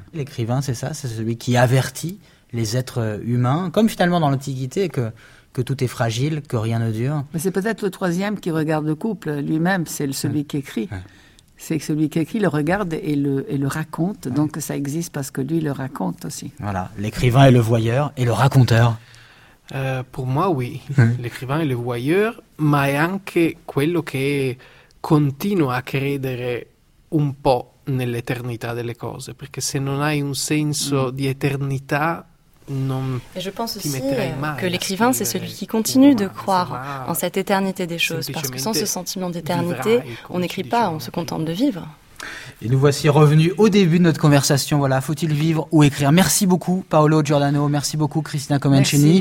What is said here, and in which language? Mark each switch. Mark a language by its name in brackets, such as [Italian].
[French] L'écrivain, c'est ça, c'est celui qui avertit les êtres humains, comme finalement dans l'Antiquité, que tout est fragile, que rien ne dure. Mais c'est peut-être le troisième qui regarde le couple lui-même, c'est celui qui écrit. C'est celui qui écrit, le regarde et le raconte, donc ça existe parce que lui le raconte aussi. Voilà, l'écrivain est le voyeur et le raconteur. Pour moi, oui. L'écrivain est le voyeur, mais [Italian] anche quello che continua a credere un po' nell'eternità delle cose, perché se non hai un senso di eternità non ti metterai mai. [French] Et je pense aussi que l'écrivain c'est celui qui continue de croire en cette éternité des choses, parce que sans ce sentiment d'éternité on n'écrit pas, on se contente de vivre. Et nous voici revenus au début de notre conversation. Voilà, faut-il vivre ou écrire ? Merci beaucoup, Paolo Giordano. Merci beaucoup, Christina Comencini.